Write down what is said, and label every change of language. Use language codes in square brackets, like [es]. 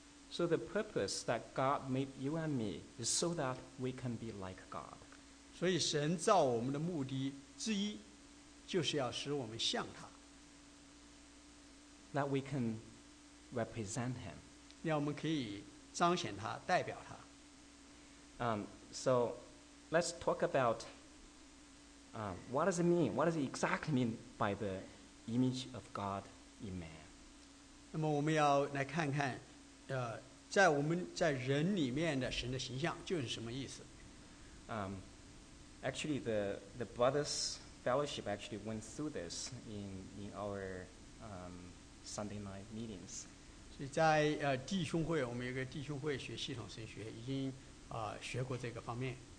[en] So the purpose that God made you and me is so that we can be like God. [zh] 所以神造我们的目的之一，就是要使我们像他。 [en] That we can represent him. [zh] 让我们可以彰显他，代表他。 [en] So let's talk about what does it mean? What does it exactly mean by the image of God in man? [zh] 那么我们要来看看在我们在人里面的神的形象就是什么意思。 [en] Actually the Brothers Fellowship actually went through this in our Sunday night meetings. [zh] 所以在弟兄会，我们有个弟兄会学系统神学，已经学过这个方面。